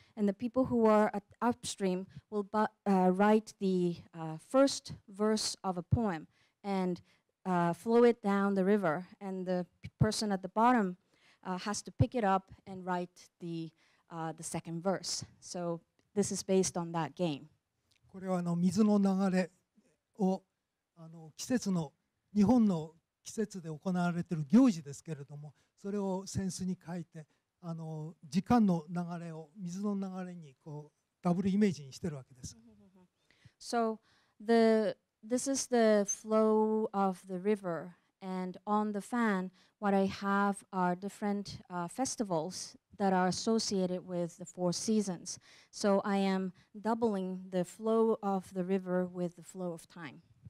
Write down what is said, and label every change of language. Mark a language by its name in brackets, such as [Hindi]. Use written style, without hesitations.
[English] And the people who are at upstream will write the first verse of a poem and flow it down the river. And the person at the bottom has to pick it up and write the second verse. So this is based on that game. [Japanese] これは水の流れを季節の日本の季節で行われている行事ですけれども、それを扇子に書いて時間の流れを水の流れにこうダブルイメージにしているわけです。So [English] this is the flow of the river, and on the fan, what I have are different festivals that are associated with the four seasons. So I am doubling the flow of the river with the flow of time.